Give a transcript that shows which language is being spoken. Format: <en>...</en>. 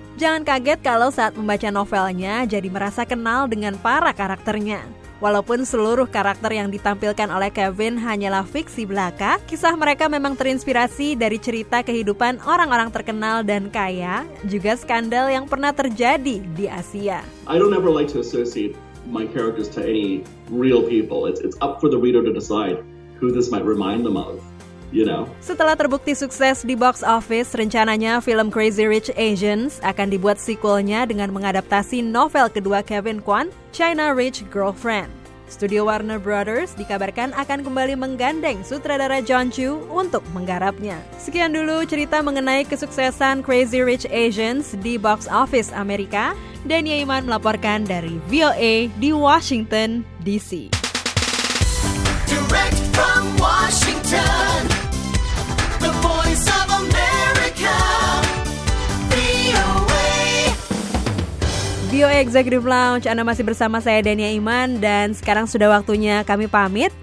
<id>Jangan kaget kalau saat membaca novelnya jadi merasa kenal dengan para karakternya. Walaupun seluruh karakter yang ditampilkan oleh Kevin hanyalah fiksi belaka, kisah mereka memang terinspirasi dari cerita kehidupan orang-orang terkenal dan kaya, juga skandal yang pernah terjadi di Asia.</id> <en>I don't ever like to associate my characters to any real people. It's up for the reader to decide who this might remind them of. you know.</en> <id>Setelah terbukti sukses di box office, rencananya film Crazy Rich Asians akan dibuat sequelnya dengan mengadaptasi novel kedua Kevin Kwan, China Rich Girlfriend. Studio Warner Brothers dikabarkan akan kembali menggandeng sutradara John Chu untuk menggarapnya. Sekian dulu cerita mengenai kesuksesan Crazy Rich Asians di box office Amerika. Dania Iman melaporkan dari VOA di Washington, D.C.</id> <en>Direct from Washington, the voice of America, VOA.</en> <id>VOA Executive Lounge, Anda masih bersama saya Dania Iman dan sekarang sudah waktunya kami pamit.</id>